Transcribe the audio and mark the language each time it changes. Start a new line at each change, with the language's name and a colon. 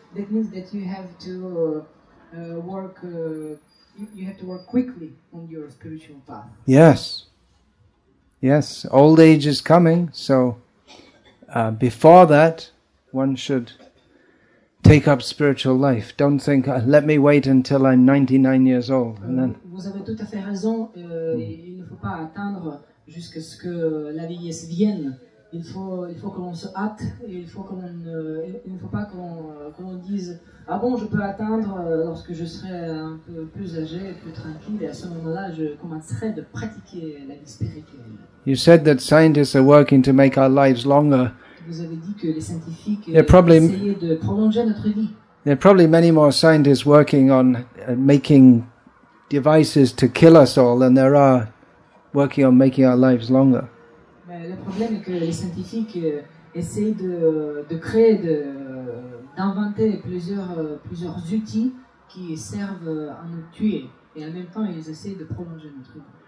English: That means that you have to work. You have to work quickly on your spiritual path. Yes. Yes. Old age is coming. So before that, one should. Take up spiritual life. Don't think, let me wait until I'm 99 years old. And then...
French: Vous avez tout à fait raison. Il ne faut pas attendre jusqu'à ce que la vieillesse vienne. Il faut que l'on se hâte. Et il ne faut pas qu'on dise, ah bon, je peux attendre lorsque je serai un peu plus âgé, plus tranquille. Et à ce moment-là, je commencerai de pratiquer la vie spirituelle.
English: You said that scientists are working to make our lives longer.
French: Vous avez dit que les scientifiques essayaient de prolonger notre vie.
English: There are probably many more scientists working on making devices to kill us all than there are working on making our lives longer.
French: Mais le problème est que les scientifiques essayent de créer, d'inventer plusieurs outils qui servent à nous tuer. Et en même temps, ils essayent de prolonger notre vie.